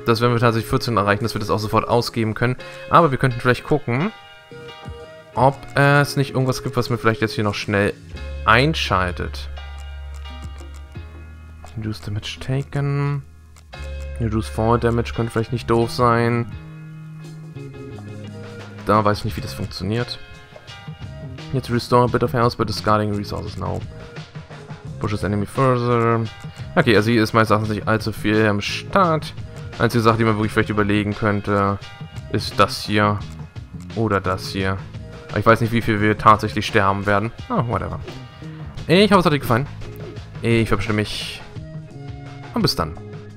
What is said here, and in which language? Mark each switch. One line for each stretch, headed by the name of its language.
German: Das werden wir tatsächlich 14 erreichen, dass wir das auch sofort ausgeben können. Aber wir könnten vielleicht gucken, ob es nicht irgendwas gibt, was mir vielleicht jetzt hier noch schnell einschaltet.
English: Reduce Damage Taken. Reduce Fall Damage
German: könnte vielleicht nicht doof sein. Da weiß ich nicht, wie das funktioniert.
English: Jetzt Restore a bit of health, but discarding resources now. Push this enemy further.
German: Okay, also hier ist meines Erachtens nicht allzu viel am Start. Einzige Sache, die man wirklich vielleicht überlegen könnte, ist das hier. Oder das hier. Aber ich weiß nicht, wie viel wir tatsächlich sterben werden.
English: Oh, whatever.
German: Ich hoffe, es hat euch gefallen. Ich verabschiede mich. Und bis dann.